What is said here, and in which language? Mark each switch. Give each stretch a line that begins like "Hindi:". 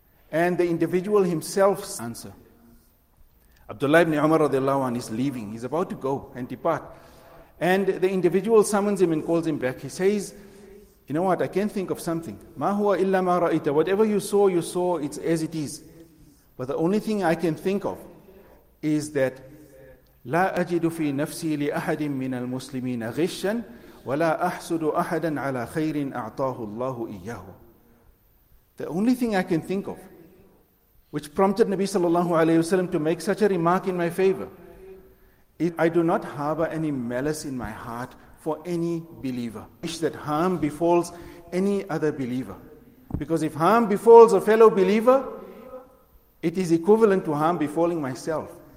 English: And the individual himself's answer. Abdullah ibn Umar radiallahu anhu is leaving. He's about to go and depart. And the individual summons him and calls him back. He says, you know what? I can't think of something.
Arabic: Ma huwa illa ma ra'ita.
English: Whatever you saw, it's as it is. But the only thing I can think of is that
Arabic: لا أجد في نفسي لأحد من المسلمين غشا ولا أحسد أحدا على خير أعطاه الله إياه.
English: The only thing I can think of, which prompted Nabi sallallahu alayhi wasallam to make such a remark in my favor, is I do not harbor any malice in my heart for any believer. I wish that harm befalls any other believer. Because if harm befalls a fellow believer, it is equivalent to harm befalling myself.